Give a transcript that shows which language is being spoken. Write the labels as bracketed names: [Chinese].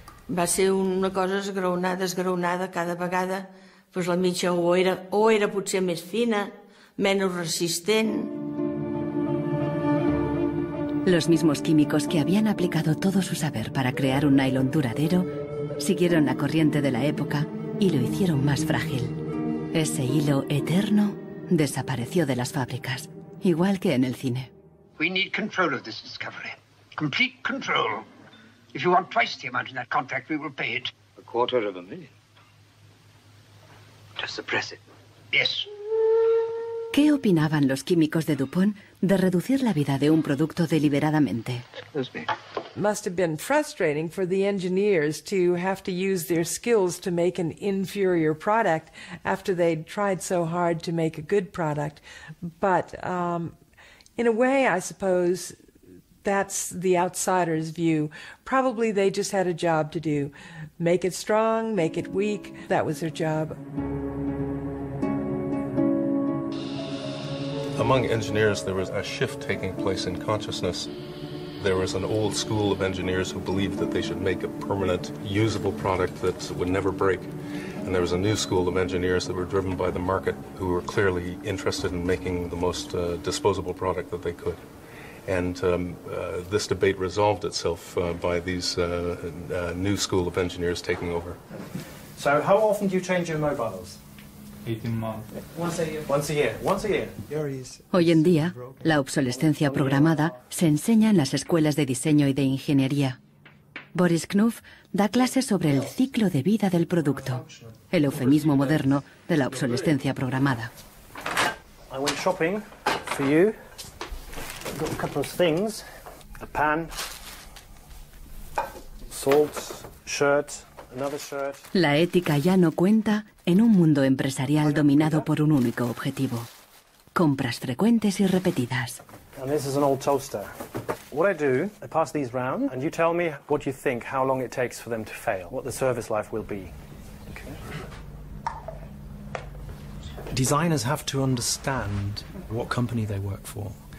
[Catalan] Va ser una cosa esgraonada cada vegada, pues la mitja o era potser més fina, menos resistent. [Spanish] Los mismos químicos que habían aplicado todo su saber para crear un nylon duradero siguieron la corriente de la época y lo hicieron más frágil. Ese hilo eterno desapareció de las fábricas, igual que en el cine. [English] We need control of this discovery. Complete control. If you want twice the amount in that contract, we will pay it. A quarter of a million. To suppress it. Yes. [Spanish] ¿Qué opinaban los químicos de DuPont de reducir la vida de un producto deliberadamente? [English] Must have been frustrating for the engineers to have to use their skills to make an inferior product after they'd tried so hard to make a good product. But in a way, I suppose that's the outsider's view. Probably they just had a job to do. Make it strong, make it weak. That was their job. Among engineers, there was a shift taking place in consciousness. there was an old school of engineers who believed that they should make a permanent, usable product that would never break. And there was a new school of engineers that were driven by the market, who were clearly interested in making the most disposable product that they could. And this debate resolved itself by these new school of engineers taking over. So how often do you change your mobiles? 18 months. Once a year. [Spanish] Hoy en día, la obsolescencia programada se enseña en las escuelas de diseño y de ingeniería. Boris Knuff da clases sobre el ciclo de vida del producto, el eufemismo moderno de la obsolescencia programada. [English] I went shopping for you. I got a couple of things. A pan, salt, shirt, another shirt. [Spanish] La ética ya no cuenta en un mundo empresarial dominado por un único objetivo. Compras frecuentes y repetidas. [English] And this is an old toaster. What I do, I pass these round, and you tell me what you think, how long it takes for them to fail, what the service life will be. Okay. Designers have to understand what company they work for.